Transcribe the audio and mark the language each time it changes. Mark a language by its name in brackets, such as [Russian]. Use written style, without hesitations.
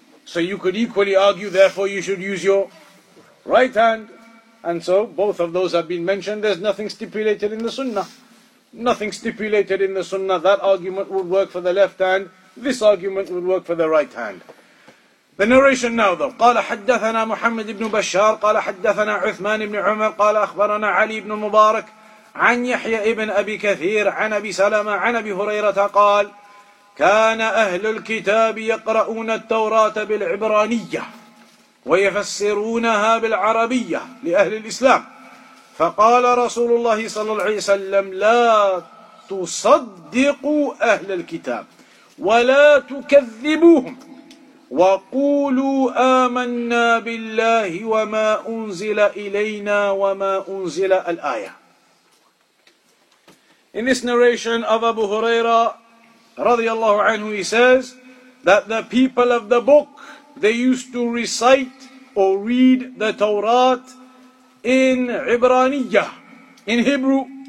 [English] So you could equally argue, therefore you should use your right hand. And so both of those have been mentioned. There's nothing stipulated in the sunnah. Nothing stipulated in the sunnah. That argument would work for the left hand. This argument would work for the right hand. The narration now though. [Arabic] قال حدثنا محمد بن بشار قال حدثنا عثمان بن عمر قال أخبرنا علي بن مبارك عن يحيى بن أبي كثير عن أبي سلمة عن أبي هريرة قال كان أهل الكتاب يقرؤون التوراة بالعبرانية ويفسرونها بالعربية لأهل الإسلام فقال رسول الله صلى الله عليه وسلم لا تصدقوا أهل الكتاب ولا تكذبوهم وقولوا آمنا بالله وما أنزل إلينا وما أنزل الآية. [English] In this narration of Abu Huraira [Arabic] رضي الله عنه, [English] he says that the people of the book, they used to recite or read the Torah in Ibraniya, in Hebrew.